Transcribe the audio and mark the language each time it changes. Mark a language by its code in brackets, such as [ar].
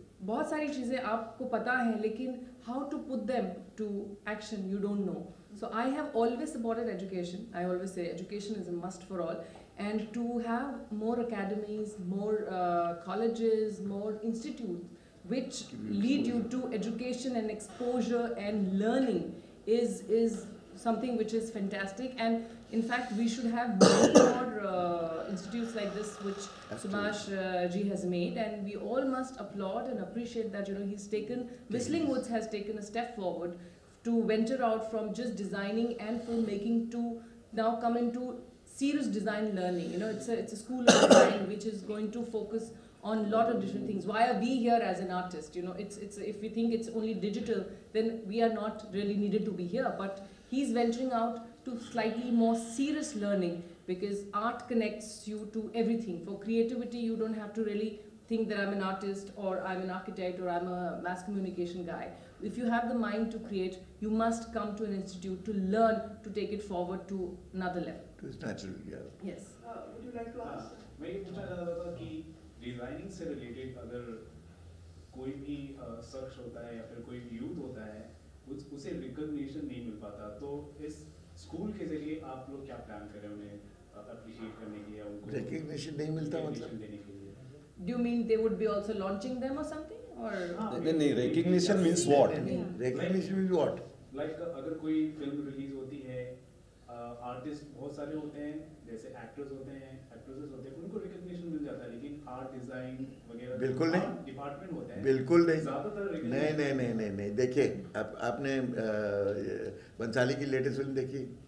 [hi] बहुत सारी चीज़ें आपको पता हैं लेकिन [en] How to put them to action you don't know so I have always supported education I always say education is a must for all And to have more academies, more colleges, more institutes, which lead you to education and exposure and learning is something which is fantastic. And in fact, we should have many more institutes like this, which Subhash Ji has made. And we all must applaud and appreciate that, you know, he's taken, Whistling Woods has taken a step forward to venture out from just designing and filmmaking to now come into serious design learning, you know, it's a school of design which is going to focus on a lot of different things. Why are we here as an artist? You know, it's if we think it's only digital, then we are not really needed to be here. But he's venturing out to slightly more serious learning because art connects you to everything. For creativity, you don't have to really think that I'm an artist or I'm an architect or I'm a mass communication guy. If you have the mind to create, you must come to an institute to learn to take it forward to another level. It's natural, yeah. Yes. Would you like to ask? [hi] मैं ये पूछना चाहता था कि designing से related अगर कोई भी शख्स होता है या फिर कोई youth होता है उसे recognition नहीं मिल पाता तो इस school के जरिए आप लोग क्या plan कर रहे हैं उन्हें appreciate करने के लिए या उनको recognition नहीं मिलता मतलब [en] Do you mean they would be also launching them or something or then recognition means what? Recognition means what? [hi] Like अगर कोई film release होती है आर्टिस्ट बहुत सारे होते हैं जैसे एक्टर्स होते हैं एक्ट्रेसेस होते हैं उनको रिकॉग्निशन मिल जाता है लेकिन आर्ट डिजाइन वगैरह बिल्कुल नहीं डिपार्टमेंट होते हैं बिल्कुल नहीं ज्यादातर नहीं नहीं नहीं नहीं नहीं देखिए आपने बंसाली की लेटेस्ट फिल्म देखी